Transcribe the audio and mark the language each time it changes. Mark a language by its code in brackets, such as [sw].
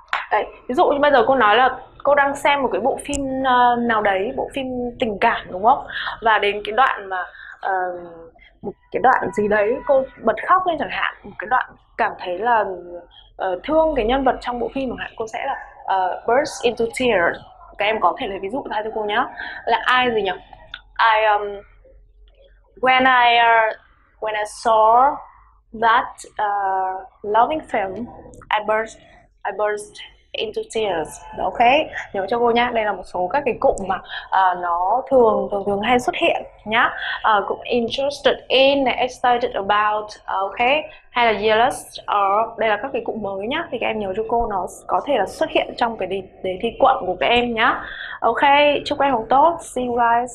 [vi] Đấy, ví dụ như bây giờ cô nói là cô đang xem một cái bộ phim nào đấy, bộ phim tình cảm đúng không? Và đến cái đoạn mà một cái đoạn gì đấy cô bật khóc lên chẳng hạn, một cái đoạn cảm thấy là thương cái nhân vật trong bộ phim chẳng hạn, cô sẽ là [en] burst into tears. [vi] Các em có thể lấy ví dụ ra cho cô nhá. Là ai gì nhỉ? [en] When I saw that loving film, I burst into tears. [vi] Ok, nhớ cho cô nhá. Đây là một số các cái cụm mà nó thường hay xuất hiện nhá. Cụm interested in, excited about, ok. Hay là jealous, đây là các cái cụm mới nhá. Thì các em nhớ cho cô, nó có thể là xuất hiện trong cái đề thi quận của các em nhá. Ok, chúc các em học tốt. [en] See you guys.